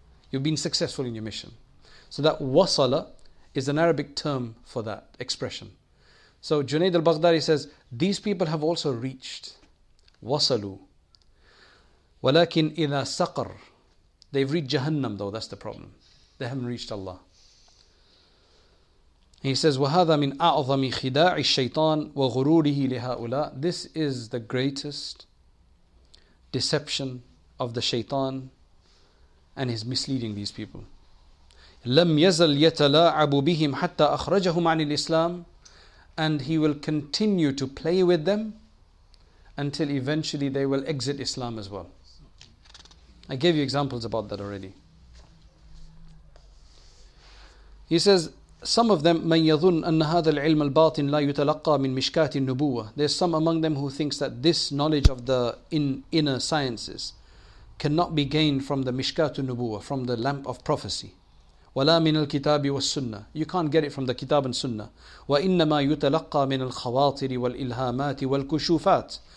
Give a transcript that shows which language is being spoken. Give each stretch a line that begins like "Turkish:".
English: You've been successful in your mission. So that wasala is an Arabic term for that expression. So Junayd al-Baghdadi says, these people have also reached wasalu.
Arabic: Walakin ila saqar.
English: They've reached Jahannam though, that's the problem. They haven't reached Allah. He says,
Arabic: وَهَذَا مِنْ أَعْظَمِ خِدَاعِ الشَّيْطَانِ وَغُرُورِهِ لِهَؤُلَاءِ.
English: This is the greatest deception of the shaitan, and he's misleading these people.
Arabic: لَمْ يَزَلْ يَتَلَاعَبُ بِهِمْ حَتَّى أَخْرَجَهُمْ عَنِ الْإِسْلَامِ.
English: And he will continue to play with them until eventually they will exit Islam as well. I gave you examples about that already. He says, some of them,
Arabic: مَنْ يَظُنُّ أَنَّ هَذَا الْعِلْمَ الْبَاطِنَ لَا يُتَلَقَّى مِنْ مِشْكَاتِ النُّبُوَّةِ.
English: There's some among them who thinks that this knowledge of the inner sciences cannot be gained from the مِشْكَاتُ النُّبُوَّةِ, from the lamp of prophecy.
Arabic: وَلَا مِنَ الْكِتَابِ وَالسُّنَّةِ.
English: You can't get it from the kitab and sunnah.
Arabic: وَإِنَّمَا يُتَلَقَّى مِنَ الْخَوَاطِرِ وَالْإِلْهَامَاتِ وَالْكُشُوفَاتِ.